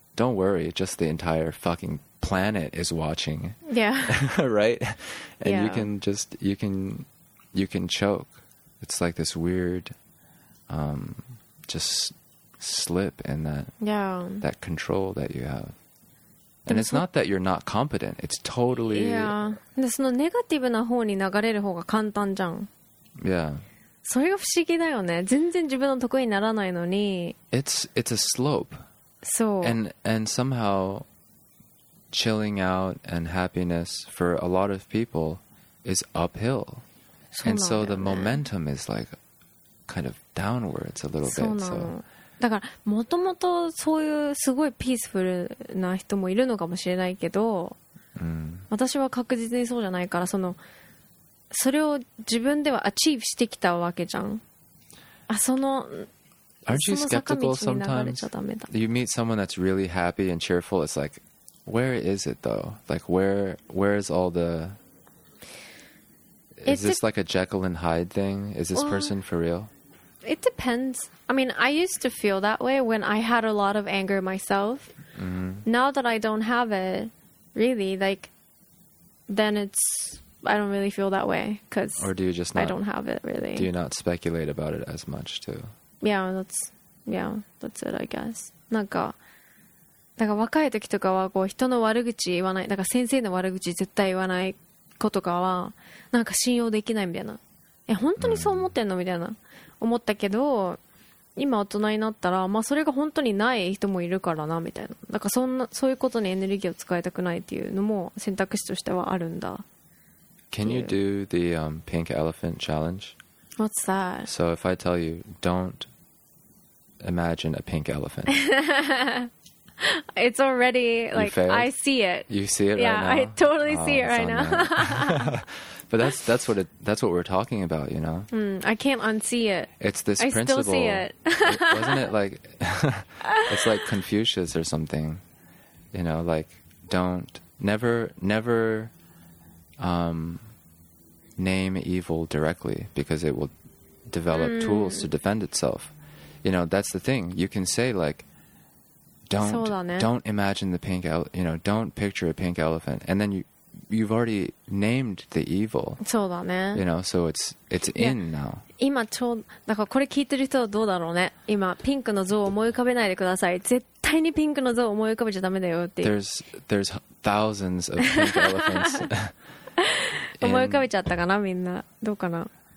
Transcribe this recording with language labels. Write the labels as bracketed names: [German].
[English] Don't worry, just the entire fucking planet is watching. Yeah. Right? And you can choke. It's like this weird just slip in that that control that you have. And it's not that you're not competent. It's totally [Japanese] で、そのネガティブな方に流れる方が簡単じゃん。 [English] Yeah. [Japanese] それが不思議だよね。全然自分の得意にならないのに。 [English] It's a slope. So, and somehow chilling out and happiness for a lot of people is uphill. And so the momentum is like kind of downwards a little bit. So, [Japanese] だからもともとそういうすごいピースフルな人もいるのかもしれないけど、私は確実にそうじゃないから、それを自分ではアチーブしてきたわけじゃん。あ、その、 [English] Aren't you skeptical sometimes? You meet someone that's really happy and cheerful. It's like, where is it though? Like, where is all the... Is this like a Jekyll and Hyde thing? Is this person for real? It depends. I mean, I used to feel that way when I had a lot of anger myself. Mm-hmm. Now that I don't have it, really, like, then it's... I don't really feel that way because I don't have it, really. Do you not speculate about it as much, too? Yeah, that's it, I guess. [Japanese] なんか、だから若い時とかはこう人の悪口言わない、だから先生の悪口絶対言わない子とかは、なんか信用できないみたいな。え、本当にそう思ってんのみたいな。思ったけど、今大人になったら、まあそれが本当にない人もいるからな、みたいな。だからそういうことにエネルギーを使いたくないっていうのも選択肢としてはあるんだ。 [English] Can you do the, pink elephant challenge? What's that? So if I tell you, don't imagine a pink elephant. It's already like I see it. You see it yeah, right now. Yeah, I totally see it right now. But that's what we're talking about, you know. I can't unsee it. It's this I principle. I still see it. Wasn't it like it's like Confucius or something. You know, like never name evil directly because it will develop tools to defend itself. You know, that's the thing. You can say like don't imagine the pink don't picture a pink elephant, and then you've already named the evil. [Japanese] そうだね。 [English] You know, so it's in now. [Japanese] 今ちょうなんかこれ聞いてる人はどうだろうね。今ピンクの像を思い浮かべないでください。絶対にピンクの像を思い浮かべちゃダメだよっていう。 [English] There's thousands of pink elephants. [Japanese] 思い浮かべちゃったかなみんな。どうかな。